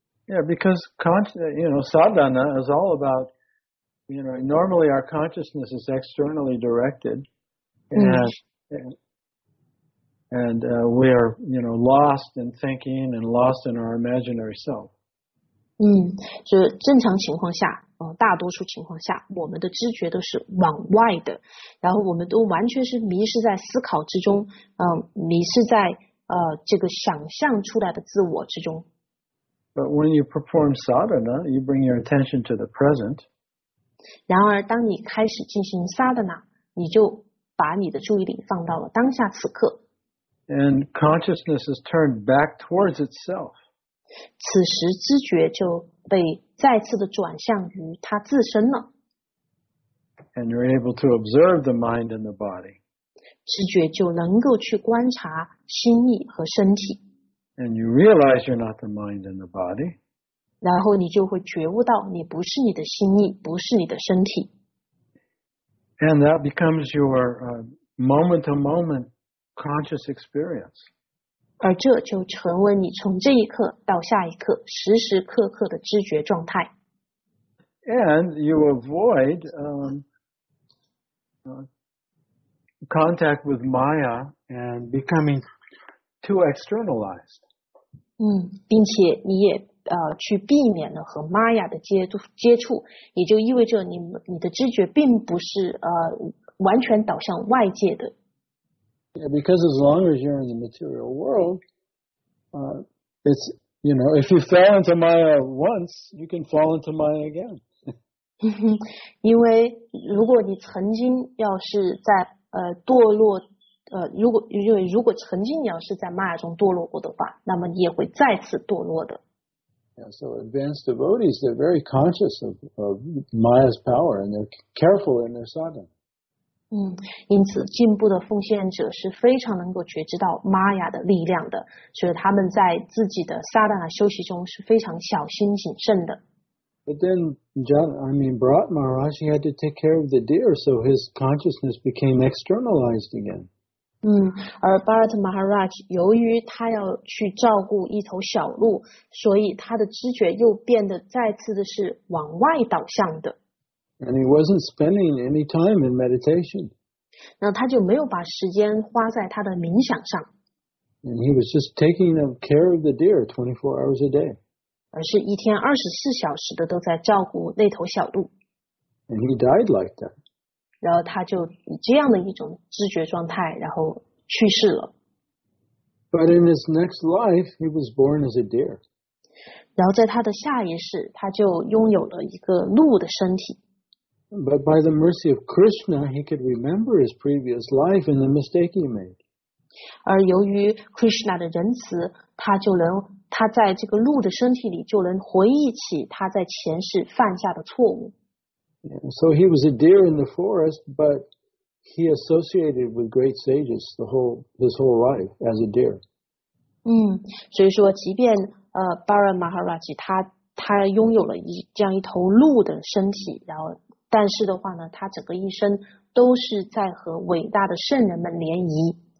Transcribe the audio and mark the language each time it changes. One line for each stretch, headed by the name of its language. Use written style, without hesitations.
English: Yeah, because sadhana is all about, you know, normally our consciousness is externally directed, and we are, you know, lost in thinking and lost in our imaginary self.
Chinese: 就正常情况下，大多数情况下，我们的知觉都是往外的，然后我们都完全是迷失在思考之中，迷失在这个想象出来的自我之中。
English: But when you perform sadhana, you bring your attention to the present.
Chinese: 然而当你开始进行 sadhana, 你就把你的注意力放到了当下此刻。
English: And consciousness is turned back towards itself.
Chinese: 此时知觉就被再次的转向于它自身了。
English: And you're able to observe the mind and the body.
Chinese: 知觉就能够去观察心意和身体。
English: And you realize you're not the mind and the body.
Chinese: 然后你就会觉悟到你不是你的心意，不是你的身体。
English: And that becomes your moment-to-moment conscious experience.
Chinese: 而这就成为你从这一刻到下一刻时时刻刻的知觉状态。
English: And you avoid contact with Maya and becoming too externalized.
Chinese: 并且你也去避免了和玛雅的接触，也就意味着你的知觉并不是完全导向外界的。
English: Yeah, because as long as you're in the material world, it's, you know, if you fell into Maya once, you can fall into Maya again.
Chinese: 因为如果你曾经要是在堕落。如果曾经你要是在玛雅中堕落过的话，那么你也会再次堕落的。
English: Yeah, so advanced devotees, they're very conscious of Maya's power and they're careful in their sadhana.
Chinese: 因此进步的奉献者是非常能够觉知到玛雅的力量的，所以他们在自己的 sadhana 休息中是非常小心谨慎的。
English: But then, Bharat Maharaj, he had to take care of the deer, so his consciousness became externalized again.
Chinese: 而 Bharat Maharaj 由于他要去照顾一头小鹿，所以他的知觉又变得再次的是往外导向的。
English: And he wasn't spending any time in meditation.
Chinese: 那他就没有把时间花在他的冥想上。
English: And he was just taking care of the deer 24 hours a day.
Chinese: 而是一天24小时的都在照顾那头小鹿。
English: And he died like that.
Chinese: 然后他就以这样的一种知觉状态然后去世了。
English: But in his next life, he was born as a deer.
Chinese: 然后在他的下一世他就拥有了一个鹿的身体。
English: But by the mercy of Krishna, he could remember his previous life and the mistake he made.
Chinese: 而由于 Krishna 的仁慈他在这个鹿的身体里就能回忆起他在前世犯下的错误。
English: So he was a deer in the forest, but he associated with great sages his whole life as a deer.
Chinese: 所以说即便Bharat Maharaj 他拥有了这样一头鹿的身体，然后但是的话呢，他整个一生都是在和伟大的圣人们联谊。